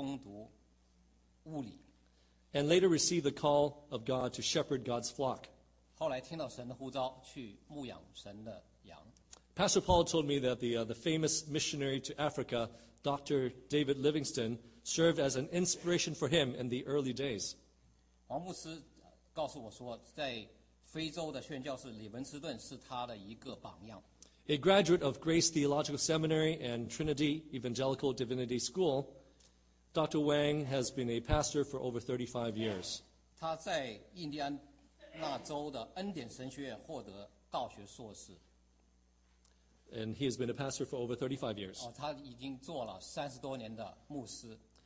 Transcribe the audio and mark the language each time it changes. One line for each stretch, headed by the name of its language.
Chinese: 他在菲律宾大学曾经攻读物理。
English: And later received the call of God to shepherd God's flock.
Chinese: 后来听到神的呼召去牧养神的羊。
English: Pastor Paul told me that the famous missionary to Africa, Dr. David Livingstone, served as an inspiration for him in the early days.
Chinese: 黄牧师告诉我说，在非洲的宣教士李文斯顿是他的一个榜样。
English: A graduate of Grace Theological Seminary and Trinity Evangelical Divinity School, Dr. Wang has been a pastor for over 35 years.
Chinese: 他在印第安纳州的恩典神学院获得道学硕士。
English: And he has been a pastor for over 35 years.
Chinese: 他已经做了30多年的牧师。